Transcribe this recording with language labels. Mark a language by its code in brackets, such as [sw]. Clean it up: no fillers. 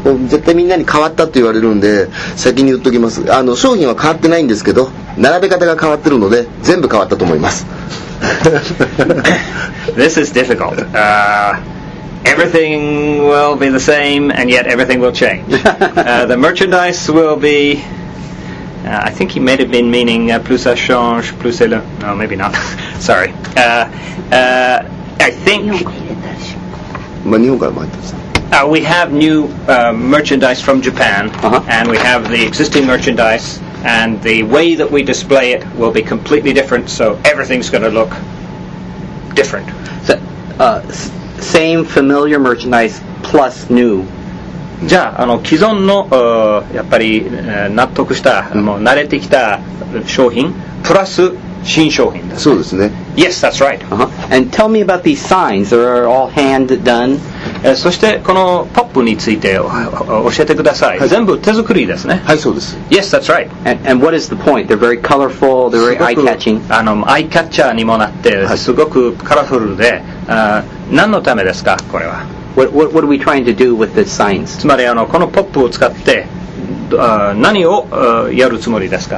[ja] 絶対みんなに変わったと言われるんで先に言っときます。あの商品は変わってないんですけど並べ方が変わってるので全部変わったと思います。 [en] This is difficult. Everything will be the same and yet everything will change. The merchandise will be I think he may have been meaning [fr] plus ça change, plus c'est le... [en] No, maybe not. Sorry. I think [ja] 日本から参ったんですね。 [en] We have new merchandise from Japan, and we have the existing merchandise, and the way that we display it will be completely different, so everything's going to look different. So, same familiar merchandise plus new. [ja] じゃあ、あの既存の、やっぱり、納得した、もう慣れてきた商品、プラス新商品ですね。そうですね。 [en] Yes, that's right. And tell me about these signs. They are all hand done. [ja] そしてこのポップについて教えてください、はい、全部手作りですね。はい、そうです。 [en] Yes, that's right. And what is the point? They're very colorful, they're very eye-catching. [ja] あのアイキャッチャーにもなってすごくカラフルで、はい、何のためですかこれは。 [en] What are we trying to do with the signs? [ja] つまりあのこのポップを使って何をやるつもりですか。